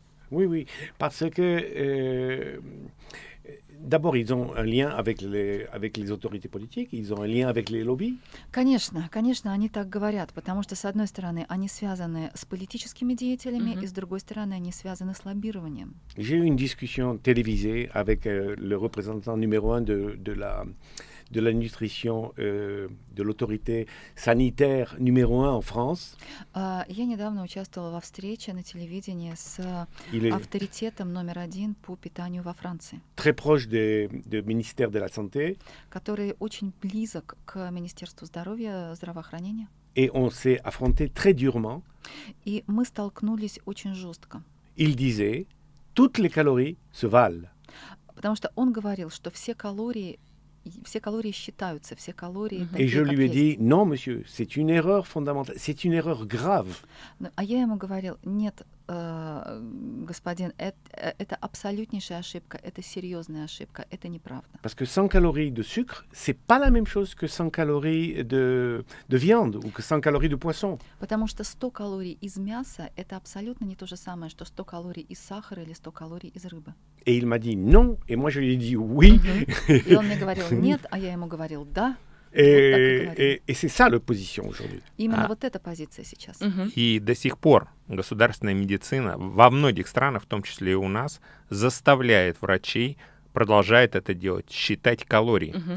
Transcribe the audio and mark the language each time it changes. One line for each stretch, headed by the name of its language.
French: Oui, oui, parce que d'abord, ils ont un lien avec les autorités politiques, ils ont un lien avec les lobbies.
Russian: Конечно, конечно, они так говорят, потому что, с одной стороны, они связаны с политическими деятелями, mm-hmm. и, с другой стороны, они связаны с лоббированием.
French: J'ai eu une discussion télévisée avec le représentant numéro un de la nutrition de l'autorité sanitaire numéro 1 en France.
Russian: Я недавно участвовала во встрече на телевидении с авторитетом номер 1 по питанию во Франции.
French: Très proche du ministère de la santé.
Russian: Который очень близок к Министерству здоровья, здравоохранения.
French: Et on s'est affronté très durement.
Russian: И мы столкнулись очень жестко.
French: Il disait toutes les calories se valent.
Russian: Потому что он говорил, что все калории Все калории считаются, все калории...
French: Et je lui ai dit, non, monsieur, c'est une erreur fondamentale, c'est une erreur grave.
Russian: А я ему говорил, нет, господин, это абсолютнейшая ошибка, это серьезная ошибка, это неправда.
French: Parce que 100 calories de sucre, c'est pas la même chose que 100 calories de viande ou que 100 calories de poisson.
Russian: Потому что 100 калорий из мяса, это абсолютно не то же самое, что 100 калорий из сахара или 100 калорий из рыбы.
French: Et il m'a dit non, et moi je lui ai dit oui. Mm-hmm.
Russian: Et он мне говорил нет, а я ему говорил да.
French: Et c'est ça la position aujourd'hui.
Russian: Именно вот эта позиция сейчас. И до сих пор государственная медицина во многих странах, в том числе и у нас, заставляет врачей продолжает это делать, считать калории.